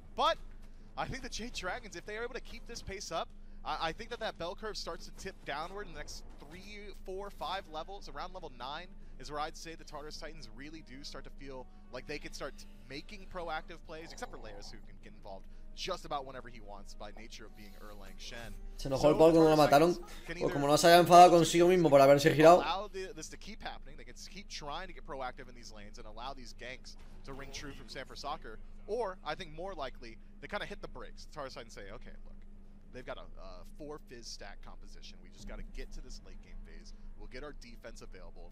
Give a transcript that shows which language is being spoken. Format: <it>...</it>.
<en>But I think the Jade Dragons, if they are able to keep this pace up, I think that that bell curve starts to tip downward in the next 3, 4, 5 levels. Around level 9 is where I'd say the Tartarus Titans really do start to feel like they can start making proactive plays, except for Leyers, who can get involved just about whenever he wants by nature of being Erlang Shen.</en> <es>Se enojó el Paul cuando la mataron, o como no se haya enfadado consigo mismo por haberse girado.</es> <en>Allow this to keep happening, they can keep trying to get proactive in these lanes and allow these ganks to ring true from Sanford Soccer, or I think more likely, they kind of hit the brakes. Tartarus Titans say, okay, look, they've got a 4 fizz stack composition, we just got to get to this late game phase, we'll get our defense available.</en>